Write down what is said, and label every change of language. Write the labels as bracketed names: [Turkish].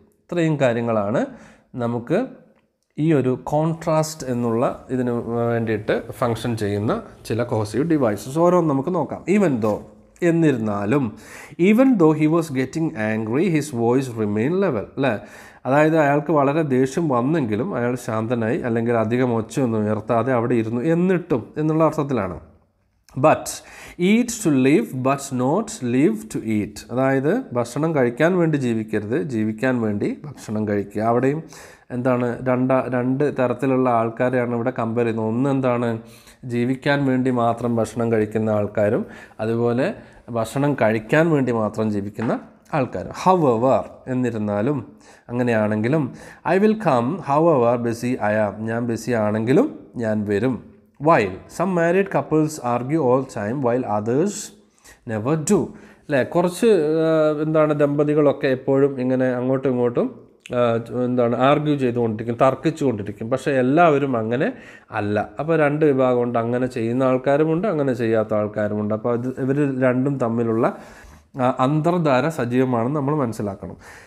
[Malayalam] ഇത്രയും കാര്യങ്ങളാണ് നമുക്ക് ഈ ഒരു കോൺട്രാസ്റ്റ് എന്നുള്ള ഇതിന് വേണ്ടിയിട്ട് ഫങ്ഷൻ ചെയ്യുന്ന ചില കോസീവ് ഡിവൈസസ്. ഓരോന്നും നമുക്ക് നോക്കാം. [English] even though, [Malayalam] എന്നിരുന്നാലും. [English] Even though he was getting angry his voice remain level. [Malayalam] അല്ലേ, അതായത് അയാൾക്ക് വളരെ ദേഷ്യം വന്നെങ്കിലും അയാൾ ശാന്തനായി, അല്ലെങ്കിൽ അധികം ഒച്ചയൊന്നും ഉയർത്താതെ അവിടെ ഇരുന്നു, എന്നിട്ടും എന്നുള്ള അർത്ഥത്തിലാണ്. [English] But eat to live, but not live to eat. [Malayalam] അതായത് ഭക്ഷണം കഴിക്കാൻ വേണ്ടി ജീവിക്കരുത്, ജീവിക്കാൻ വേണ്ടി ഭക്ഷണം കഴിക്കുക. അവിടെയും എന്താണ്, രണ്ട് തരത്തിലുള്ള ആൾക്കാരെയാണ് ഇവിടെ കമ്പയർ ചെയ്യുന്നത്. ഒന്ന് എന്താണ്, ജീവിക്കാൻ വേണ്ടി മാത്രം ഭക്ഷണം കഴിക്കുന്ന ആൾക്കാരും, അതുപോലെ ഭക്ഷണം കഴിക്കാൻ വേണ്ടി മാത്രം ജീവിക്കുന്ന ആൾക്കാരും. ഹൗ എവർ, എന്നിരുന്നാലും, അങ്ങനെയാണെങ്കിലും. [English] I will come however busy I am. [Malayalam] ഞാൻ ബിസി ആണെങ്കിലും ഞാൻ വരും. [English] While some married couples argue all the time, while others never do. [Malayalam] അല്ലേ, കുറച്ച് എന്താണ് ദമ്പതികളൊക്കെ എപ്പോഴും ഇങ്ങനെ അങ്ങോട്ടും ഇങ്ങോട്ടും എന്താണ് ആർഗ്യൂ ചെയ്തുകൊണ്ടിരിക്കും, തർക്കിച്ചുകൊണ്ടിരിക്കും. പക്ഷേ എല്ലാവരും അങ്ങനെ അല്ല. അപ്പോൾ രണ്ട് വിഭാഗമുണ്ട്, അങ്ങനെ ചെയ്യുന്ന ആൾക്കാരുമുണ്ട്, അങ്ങനെ ചെയ്യാത്ത ആൾക്കാരുമുണ്ട്. അപ്പോൾ അത് ഇവർ രണ്ടും തമ്മിലുള്ള അന്തർധാര സജീവമാണെന്ന് നമ്മൾ മനസ്സിലാക്കണം.